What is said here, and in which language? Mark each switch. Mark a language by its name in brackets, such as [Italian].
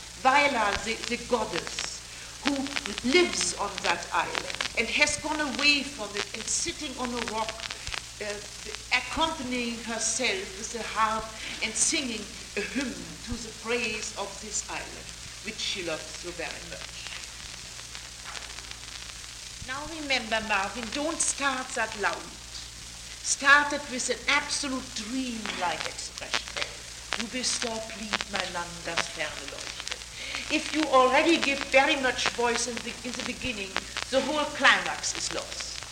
[English] Vaila, the goddess, who lives on that island and has gone away from it and sitting on a rock, accompanying herself with a harp and singing a hymn to the praise of this island, which she loves so very much. Now remember, Marvin, don't start that loud. Start it with an absolute dream-like expression. [German] Du bist doch blieb mein Land, das ferne leuchtet. [English] If you already give very much voice in the beginning, the whole climax is lost.